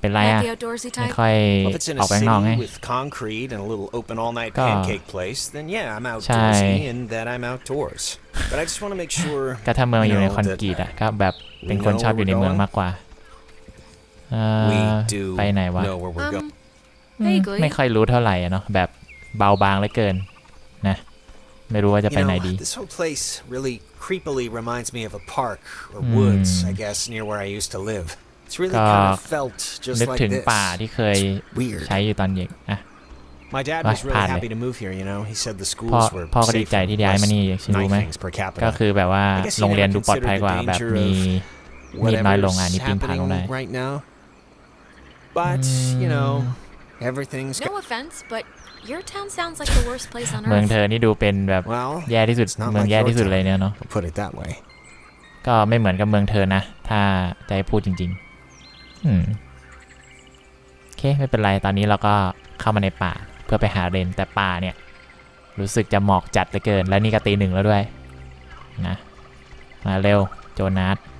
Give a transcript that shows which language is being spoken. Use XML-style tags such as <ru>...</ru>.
<en>the outdoorsy type? Well, if it's in a city with concrete and a little open all-night pancake place, then yeah, I'm outdoorsy and that I'm outdoors. But I just want to make sure you know that we know where we're going. We do know where we're going.</en> <th>ไม่ค่อยรู้เท่าไหร่อ่ะเนาะแบบเบาบางเหลือเกินนะไม่รู้ว่าจะไปไหนดี</th> <en>This whole place really creepily reminds me of a park or woods I guess near where I used to live. It's really kind of felt just like</en> <th>ถึงป่าที่เคยใช้อยู่ตอนเด็กอ่ะ</th> <en>My dad was really happy to move here, you know. He said the schools were safer.</en> <th>พ่อก็ดีใจที่ย้ายมานี่ใช่รู้มั้ยก็ คือแบบว่าโรงเรียนดูปลอดภัยกว่าแบบมีน้อยลงอ่ะนี่ปิ้งพังลงได้</th> <en>But you knowEverything's no offense, but your town sounds like the worst place on earth.</en> <th>เมืองเธอนี่ดูเป็นแบบแย่ที่สุดเมืองแย่ที่สุดเลยเนี่ยเนาะ</th> <en>Put it that way.</en> <th>ก็ไม่เหมือนกับเมืองเธอนะถ้าจะพูดจริงๆโอเคไม่เป็นไรตอนนี้เราก็เข้ามาในป่าเพื่อไปหาเรนแต่ป่าเนี่ยรู้สึกจะหมอกจัดเหลือเกินและนี่ก็ตีหนึ่งแล้วด้วยนะมาเร็วโจนาธ</th>